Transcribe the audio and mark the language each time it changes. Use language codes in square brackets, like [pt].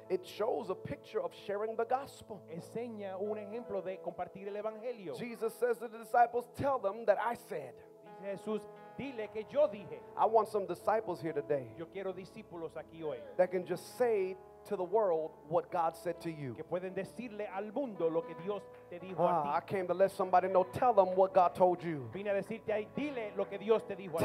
[en] It shows a picture of sharing the gospel. [es] Enseña un ejemplo de compartir el evangelio. [en] Jesus says to the disciples, tell them that I said. [es] Dice Jesús, dile que yo dije. [en] I want some disciples here today. [es] Yo quiero discípulos aquí hoy. [en] That can just say to the world what God said to you. [es] Que pueden decirle al mundo lo que Dios te dijo a ti. [en] I came to let somebody know, tell them what God told you. [es] Vine a decirte ahí, dile lo que Dios te dijo a ti.